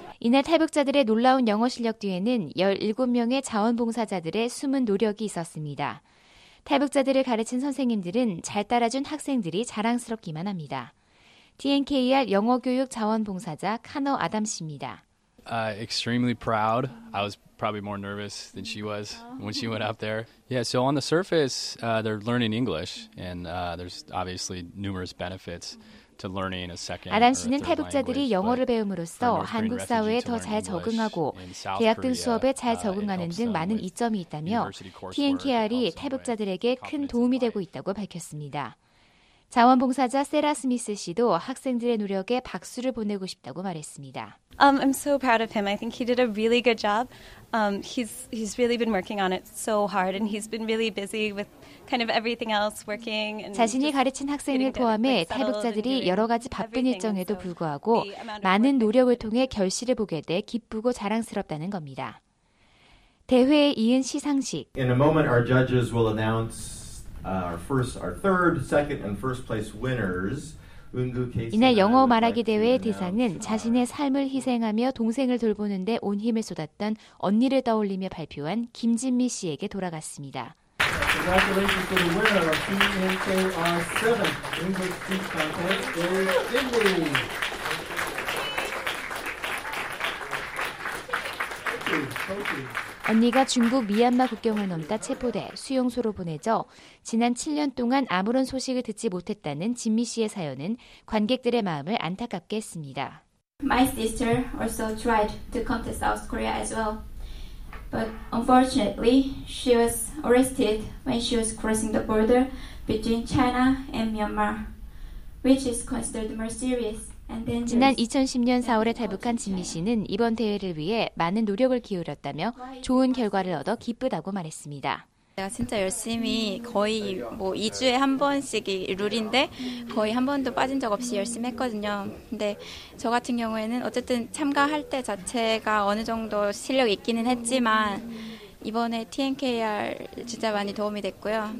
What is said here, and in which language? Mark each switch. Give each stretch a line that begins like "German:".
Korean: 이날 탈북자들의 놀라운 영어 실력 뒤에는 17명의 자원봉사자들의 숨은 노력이 있었습니다. 탈북자들을 가르친 선생님들은 잘 따라준 학생들이 자랑스럽기만 합니다. TNKR 영어교육 자원봉사자 카노 아담 씨입니다.
English: Extremely proud. I was probably more nervous than she was when she went up there. Yeah, so on the surface, they're learning English, and there's obviously numerous benefits.
Korean: 아담 씨는 탈북자들이 영어를 배움으로써 한국 사회에 더 잘 적응하고 대학 등 수업에 잘 적응하는 등 많은 이점이 있다며 TNKR이 탈북자들에게 큰 도움이 되고 있다고 밝혔습니다. 자원봉사자 세라 스미스 씨도 학생들의 노력에 박수를 보내고 싶다고 말했습니다.
English: I'm so proud of him. I think he did a really good job. He's really been working on it so hard and he's been really busy with kind of everything else working and
Korean: 자신이 가르친 학생을 포함해 탈북자들이 여러 가지 바쁜 일정에도 불구하고 많은 노력을 통해 결실을 보게 돼 기쁘고 자랑스럽다는 겁니다. 대회의 이은 시상식.
English: In a moment our judges will announce our third, second, and first place winners.
Korean: 이날 영어 말하기 대회의 대상은 자신의 삶을 희생하며 동생을 돌보는 데 온 힘을 쏟았던 언니를 떠올리며 발표한 김진미 씨에게 돌아갔습니다.
English: Congratulations to the winner of TNKR 7th English Speech Contest, Derek Dingley. Thank you. Thank you.
Korean: 언니가 중국 미얀마 국경을 넘다 체포돼 수용소로 보내져 지난 7년 동안 아무런 소식을 듣지 못했다는 진미 씨의 사연은 관객들의 마음을 안타깝게 했습니다.
English: My sister also tried to come to South Korea as well. But unfortunately, she was arrested when she was crossing the border between China and Myanmar, which is considered more serious.
Korean: 지난 2010년 4월에 탈북한 진미 씨는 이번 대회를 위해 많은 노력을 기울였다며 좋은 결과를 얻어 기쁘다고 말했습니다. 내가 진짜 열심히 거의 뭐 2주에 한 번씩이 룰인데 거의 한 번도 빠진 적 없이 열심히 했거든요. 근데 저 같은 경우에는 어쨌든 참가할 때 자체가 어느 정도 실력이 있기는 했지만 이번에 TNKR 진짜 많이 도움이 됐고요.